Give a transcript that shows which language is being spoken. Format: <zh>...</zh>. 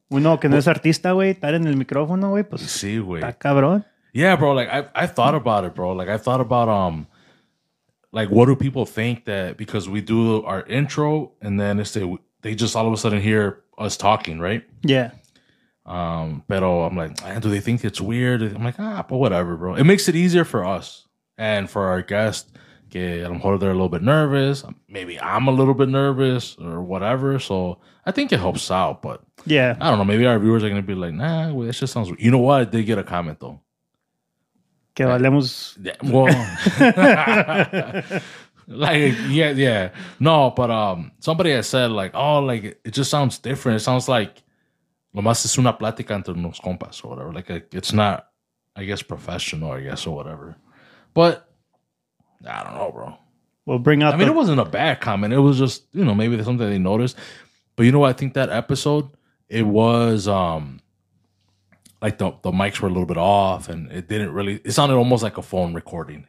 <es>Uno que no es artista, güey, estar en el micrófono, güey, pues. Sí, güey. Está cabrón.</es> <en>Yeah, bro. Like I thought about it, bro. Like I thought about like what do people think that because we do our intro and then they just all of a sudden hear us talking, right? Yeah. Pero I'm like, man, do they think it's weird? I'm like, but whatever, bro. It makes it easier for us and for our guest.</en> <es>Que a lo mejor</es> <en>they're a little bit nervous. Maybe I'm a little bit nervous or whatever. So I think it helps out, but yeah, I don't know. Maybe our viewers are going to be like, nah, well, that just sounds weird. You know what? I did get a comment though.</en> <es>Que valemos.</es> <en>Yeah, well, No, but somebody has said like, it just sounds different. It sounds like</en> <es>lo más es una plática entre unos compas</es> <en>or whatever. Like it's not, I guess, professional, I guess, or whatever. But I don't know, bro. Well, bring up. It wasn't a bad comment. It was just, you know, maybe something they noticed. But you know what? I think that episode, it was like the mics were a little bit off and it didn't really, it sounded almost like a phone recording.</en>